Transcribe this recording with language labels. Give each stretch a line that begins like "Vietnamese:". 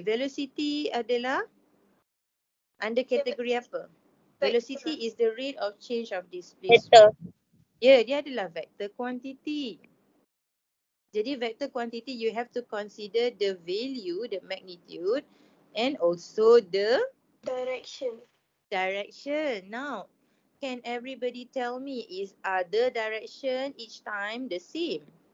Malay: Velocity adalah under kategori apa?
English: Velocity is the rate of change of displacement. Vector. Yeah,
Malay: dia adalah
English: vector quantity. Jadi vector quantity, you have to consider the value, the magnitude, and also the direction. Direction. Now, can everybody tell me, is other direction each time the same?